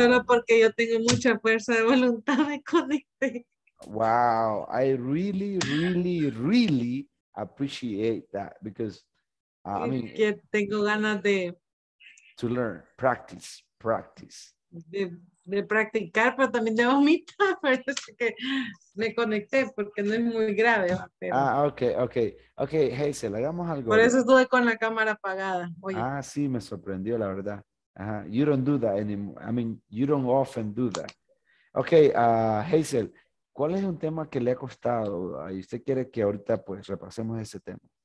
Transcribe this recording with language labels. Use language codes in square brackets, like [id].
[es] Solo porque yo tengo mucha fuerza de voluntad me conecté. [en] Wow, I really, really, really appreciate that because I mean. [es] Que tengo ganas de. [en] To learn, practice. [es] De practicar, pero también de vomitar, pero es que me conecté porque no es muy grave. Pero. Ah, okay. Hazel, hagamos algo. Por eso estuve con la cámara apagada. Oye. Ah, sí, me sorprendió, la verdad. [en] You don't do that anymore. I mean, you don't often do that. [es] Okay, Hazel, ¿cuál es un tema que le ha costado? ¿Y usted quiere que ahorita pues repasemos ese tema?